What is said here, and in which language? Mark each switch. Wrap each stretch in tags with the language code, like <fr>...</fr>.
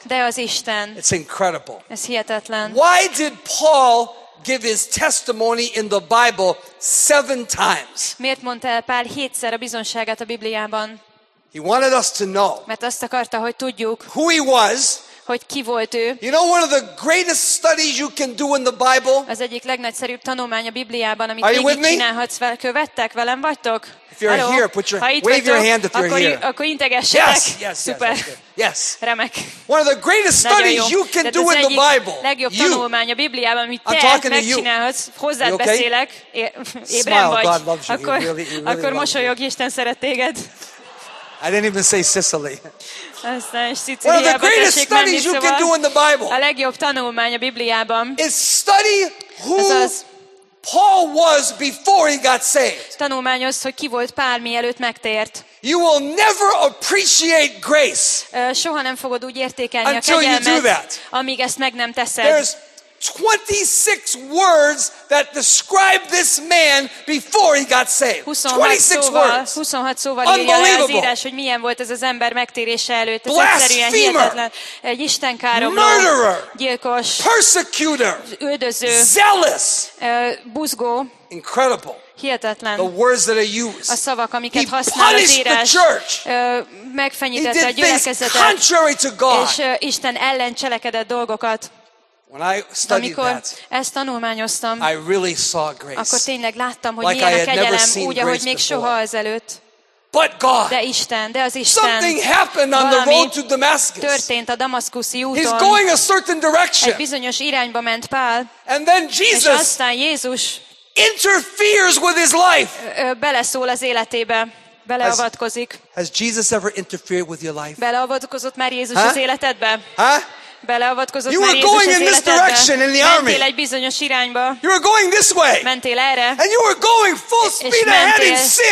<hu>De az Isten.</hu> <en>It's incredible.</en> <hu>Ez hihetetlen.</hu> <en>Why did Paul give his testimony in the Bible seven times?</en> <hu>Miért mondta Pál hétszer a bizonyságát a Bibliában?</hu> <en>He wanted us to know.</en> <hu>Mert azt akarta, hogy tudjuk.</hu> <en>Who he was.</en> <hu>Hogy ki volt ő.</hu> <en>You know one of the greatest studies you can do in the Bible?</en> <hu>Az egyik legnagyszerűbb tanulmány a Bibliában, amit végig csinálhatsz, követtek velem vagytok?</hu> <en>If you're Hello. Here, put your hand, wave your hand if you're here.</en> <hu>Akkor integessetek.</hu> <en>Yes, super. Yes.</en> <hu>Remek.</hu> <en>One of the greatest studies you can do in the Bible.</en> <hu>Legjobb tanulmány a Bibliában, amit te megcsinálhatsz, hozzád beszélek, ébren</hu> <en>Smile.</en> <hu>Vagy.</hu> <en>God loves you.</en> <hu>Akkor,</hu> <en>really, really</en> <hu>akkor mosolyog, Isten szeret téged.</hu> <en>I didn't even say Sicily. One of the greatest studies you can do in the Bible.</en> <hu>A legjobb tanulmány a Bibliában.</hu> <en>Is study who Paul was before he got saved.</en> <hu>Tanulmányozz, hogy ki volt Pál, mielőtt megtért.</hu> <en>You will never appreciate grace.</en> <hu>Soha nem fogod úgy értékelni a kegyelmet, amíg ezt meg nem teszed.</hu> <en>There's 26 words that describe this man before he got saved. 26 words.</en> <hu>26 szóval írja le az írás, hogy milyen volt ez az ember megtérése előtt. Egyszerűen hihetetlen. Egy istenkáromló.</hu> <en>Murderer.</en> <hu>Gyilkos.</hu> <en>Persecutor.</en> <hu>Üldöző.</hu> <en>Zealous.</en> <hu>Buzgó.</hu> <en>Incredible.</en> <hu>Hihetetlen.</hu> <en>The words that are used.</en> <hu>A szavak, amiket használ az írás. Megfenyítette a gyülekezetet.</hu> <en>Contrary to God.</en> <hu>És Isten ellen cselekedett dolgokat.</hu> <en>When I studied</en> <hu>amikor</hu> <en>that,</en> <hu>ezt tanulmányoztam,</hu> <en>I really saw grace.</en> <hu>Akkor tényleg láttam, hogy milyen a kegyelem, úgy, ahogy még soha azelőtt.</hu> <en>But God,</en> <hu>de Isten, de az Isten.</hu> <en>Something happened on the road to Damascus.</en> <hu>Történt a damaszkuszi úton.</hu> <en>He's going a certain direction.</en> <hu>Egy bizonyos irányba ment Pál.</hu> <en>And then Jesus,</en> <hu>és aztán Jézus</hu> <en>interferes with his life.</en> <hu>Beleszól az életébe. Beleavatkozik.</hu> <en>Has Jesus ever interfered with your life?</en> <hu>Beleavatkozott már Jézus az életedbe?</hu> <en>Huh?</en> <hu>Beleavatkozott már Jézus az életedbe. Mentél egy bizonyos irányba.</hu> <en>You were going this way.</en> <hu>Mentél erre.</hu> <en>And you were going full speed ahead in sin.</en>